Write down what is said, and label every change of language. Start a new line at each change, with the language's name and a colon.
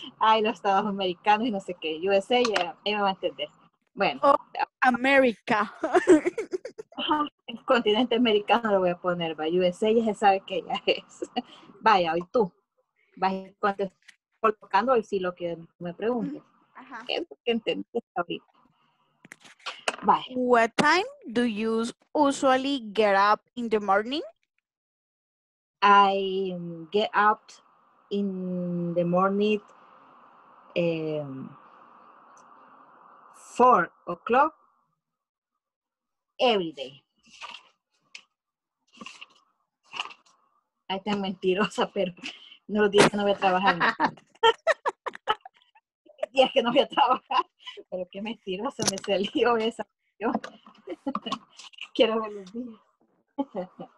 Spanish: Ay, los Estados Americanos y no sé qué. USA, ya me va a entender. Bueno.
English: Oh, America.
Spanish: El continente americano lo voy a poner, va, USA, ya se sabe que ella es. Vaya, hoy tú. Vas colocando hoy sí lo que me preguntes. ¿Qué es lo que entendiste ahorita? Vaya.
English: What time do you usually get up in the morning? I get up in the morning 4 o'clock every day.
Spanish: Ay, tan mentirosa, pero no los días que no voy a trabajar. Días que no voy a trabajar. Pero qué mentirosa me salió esa. Yo quiero ver los días.